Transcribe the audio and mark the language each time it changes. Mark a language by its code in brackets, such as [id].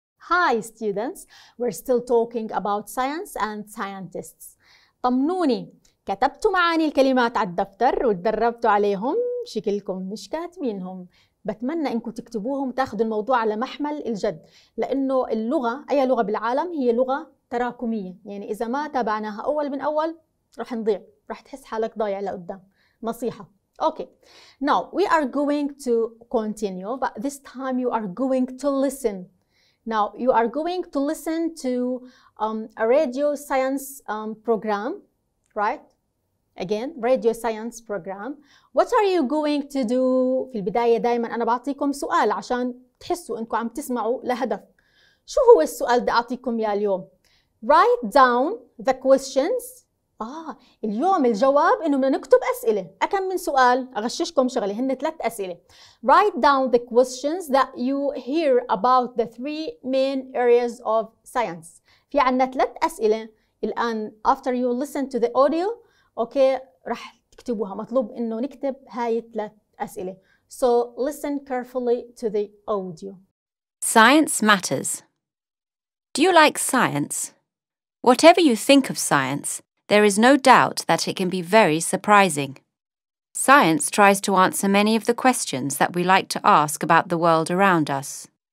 [en] Hi students, we're still talking about science and scientists. [ar] طمنوني، كتبتوا معاني الكلمات على الدفتر وتدربتوا عليهم؟ شكلكم مش كاتمينهم. بتمنى انكم تكتبوهم وتاخذوا الموضوع على محمل الجد، لانه اللغة، اي لغة بالعالم، هي لغة تراكمية، يعني اذا ما تابعناها اول من اول رح نضيع، رح تحس حالك ضايع لقدام. نصيحة. [en] Okay, now we are going to continue, but this time you are going to listen. Now you are going to listen to a radio science program, right? Again, radio science program. What are you going to do? [ar] في البداية دائما أنا بعطيكم سؤال عشان تحسوا أنكم عم تسمعوا لهدف. شو هو السؤال اللي أعطيكم يا اليوم؟ [en] Write down the questions. [ar] اليوم الجواب إنه بدنا نكتب أسئلة. أكم من سؤال؟ أغششكم شغلة، هن ثلاث أسئلة. [en] Write down the questions that you hear about the three main areas of science. [ar] في عنا ثلاث أسئلة الآن. [en] After you listen to the audio, okay, [ar] رح تكتبوها. مطلوب إنه نكتب هاي ثلاث أسئلة. [en] So listen carefully to the audio. Science matters. Do you like science? Whatever you think of science, there is no doubt that it can be very surprising. Science tries to answer many of the questions that we like to ask about the world around us.